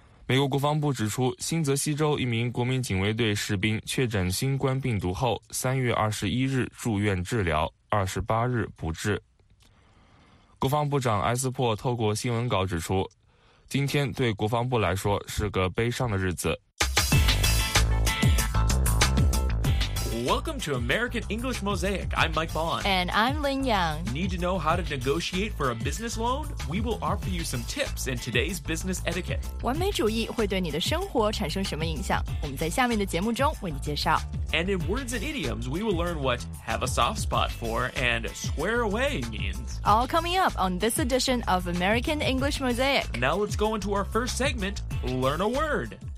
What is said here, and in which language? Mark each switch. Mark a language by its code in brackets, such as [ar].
[zh] 美国国防部指出，新泽西州一名国民警卫队士兵确诊新冠病毒后，3月21日住院治疗，28日不治。国防部长埃斯珀透过新闻稿指出，今天对国防部来说是个悲伤的日子。 [en] Welcome to American English Mosaic. I'm Mike Bond. And I'm Lin Yang. Need to know how to negotiate for a business loan? We will offer you some tips in today's business etiquette. [zh] 完美主义会对你的生活产生什么影响？我们在下面的节目中为你介绍。 [en] And in words and idioms, we will learn what have a soft spot for and square away means. All coming up on this edition of American English Mosaic. Now let's go into our first segment, Learn a Word.